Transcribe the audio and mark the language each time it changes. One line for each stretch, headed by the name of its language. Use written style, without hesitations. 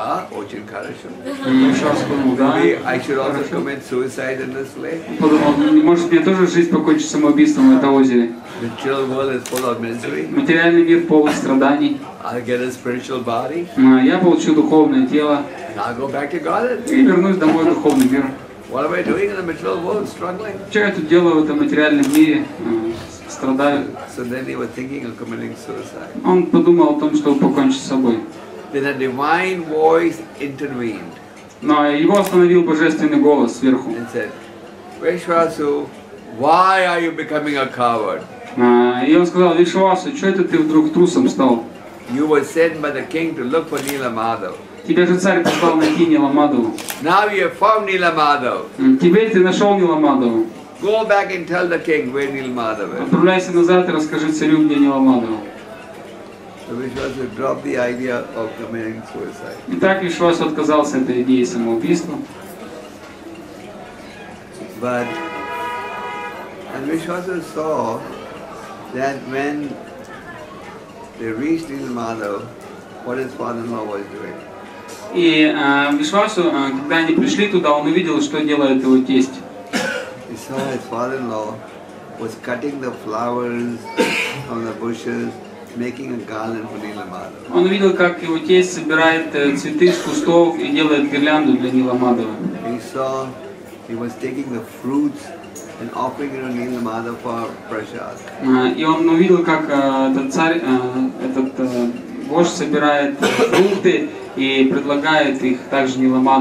Russian: Может, мне тоже жизнь покончить самоубийством в этом озере? Материальный мир полон страданий. Я получу духовное тело и вернусь домой в духовный мир.
English: What am I doing in the material world, struggling?
Russian: Что я тут делаю в этом материальном мире? Страдаю.
English: So then he was thinking of committing suicide.
Russian: Он подумал о том, чтобы покончить с собой.
English: Then a divine voice intervened.
Russian: Но его остановил божественный голос сверху.
English: And said, Vishwasu, why are you becoming a coward?
Russian: И он сказал, Вишвасу, что это ты вдруг трусом стал?
English: You were sent by the king to look for Nila Madhav.
Russian: Тебя же царь позвал найти Нила Мадху.
English: Now you have found Nila Madhav.
Russian: Теперь ты нашел Нила Мадху.
English: Go back and tell the king where Nila Madhav is.
Russian: Отправляйся назад и расскажи царю, где Нила Мадху.
English: So Vishwasu dropped the idea of committing suicide.
Russian: Итак, Вишвасу отказался от идеи самоубийства.
English: But and Vishwasu saw that when they reached Nila Madhav, what his father-in-law was doing.
Russian: И Вишвасу, когда они пришли туда, он увидел, что делает его тесть.
English: He saw his father-in-law was cutting the flowers from the bushes, making a garland for Nila Madhav.
Russian: Он увидел, как его тесть собирает цветы с кустов и делает гирлянду для Нила Мадхава.
English: He saw he was taking the fruits and offering it to Nila Madhav for prasad.
Russian: И он увидел, как этот царь, этот вождь собирает фрукты и предлагает их также Нила